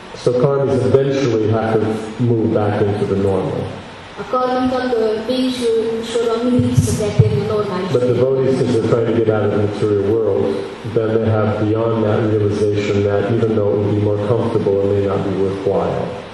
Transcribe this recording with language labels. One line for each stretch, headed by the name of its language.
English: So karmas eventually have to move back into the normal.
Hungarian: A karmikat végső soron mindig vissza kell térni a normális.
English: But the devotees, since they're trying to get out of the material world, then they have beyond that realization that even though it would be more comfortable, it may not be worthwhile.